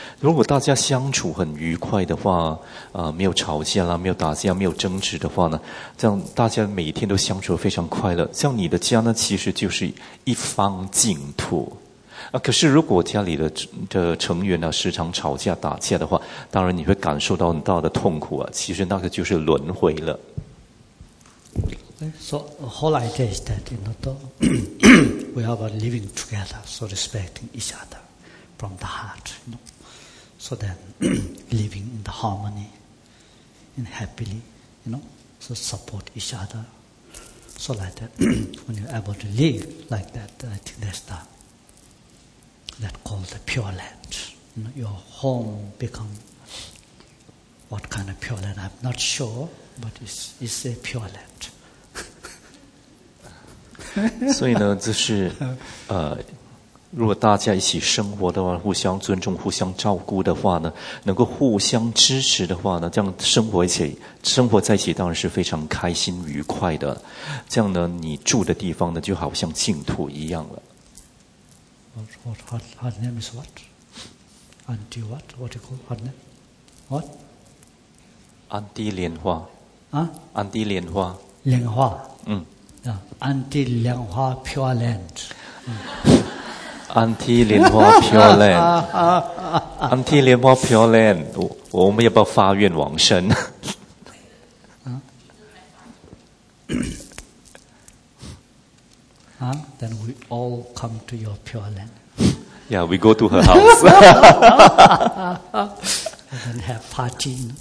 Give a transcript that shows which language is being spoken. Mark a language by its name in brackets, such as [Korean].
[Chinese] 如果大家相处很愉快的话，没有吵架啦，没有打架，没有争执的话呢，这样大家每天都相处非常快乐。像你的家呢，其实就是一方净土。啊，可是如果家里的成员呢、啊、时常吵架打架的话，当然你会感受到很大的痛苦啊。其实那个就是轮回了。 [English] So the whole idea is that you know, we are living together, so respecting each other from the heart, you know, so then living in the harmony, in happily, you know, so support each other, so like that. When you're able to live like that, I think that's the. That called the pure land. You know, your home become what kind of pure land? I'm not sure, but it's a pure land. [Chinese] 所以呢，就是如果大家一起生活的话，互相尊重、互相照顾的话呢，能够互相支持的话呢，这样生活在一起当然是非常开心、愉快的。这样呢，你住的地方呢，就好像净土一样了。 [English] What her name is what? Auntie what? What you call her name? What? Auntie Lian Hua. Huh? Auntie Lian Hua. Lian Hua. Yeah. Auntie Lian Hua Pure Land. Auntie Lian Hua Pure Land. [Chinese] 安提莲花飘莲，我们要不要发愿往生？ [English] Then we all come to your pure land. Yeah, we go to her house. And then have party.